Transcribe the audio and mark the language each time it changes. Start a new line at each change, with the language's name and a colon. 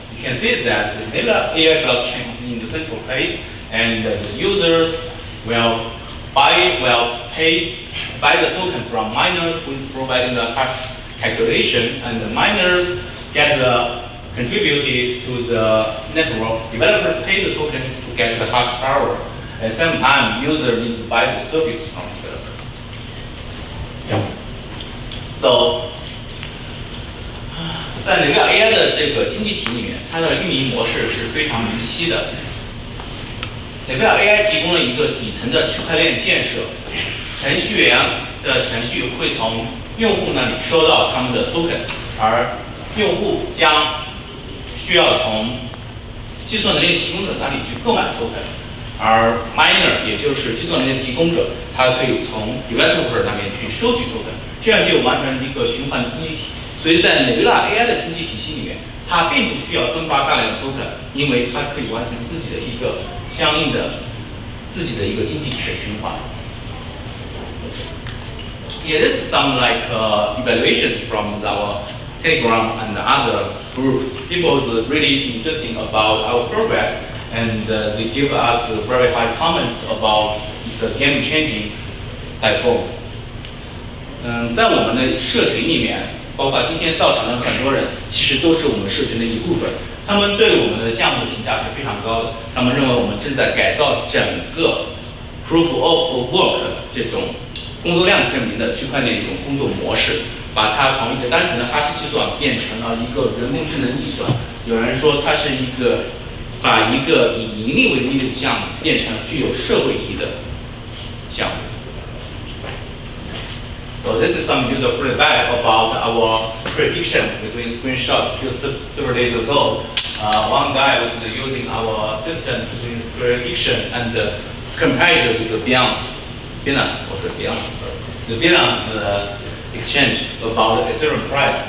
English: Can see that the Nebula AI blockchain is in the central place, and the users will buy the token from miners who provide the hash calculation, and the miners get contributed to the network. Developers pay the tokens to get the hash power. At the same time, users need to buy the service from the developer. So.
Chinese: 在雷威 AI 的这个经济体里面，它的运营模式是非常明晰的。雷威 AI 提供了一个底层的区块链建设，程序员的程序会从用户那里收到他们的 token， 而用户将需要从计算能力提供者那里去购买 token， 而 miner 也就是计算能力提供者，他可以从 developer 那边去收取 token， 这样就完成一个循环经济体。所以在 Nebula AI 的经济体系里面，它并不需要增发大量的 token， 因为它可以完成自己的一个相应的自己的一个经济体的循环。
English: It is some like evaluation from our Telegram and other groups. People are really interested about our progress, and they give us very high comments about it's a game-changing platform.
Chinese: 在我们的社群里面。包括今天到场的很多人其实都是我们社群的一部分，他们对我们的项目的评价是非常高的，他们认为我们正在改造整个 Proof of Work 这种工作量证明的区块链一种工作模式，把它从一个单纯的哈希计算变成了一个人工智能运算，有人说它是一个把一个以盈利为目的的项目变成具有社会意义的项目。
English: So this is some user feedback about our prediction. We're doing screenshots several days ago. One guy was using our system to do prediction and compared it with the Binance exchange about Ethereum price.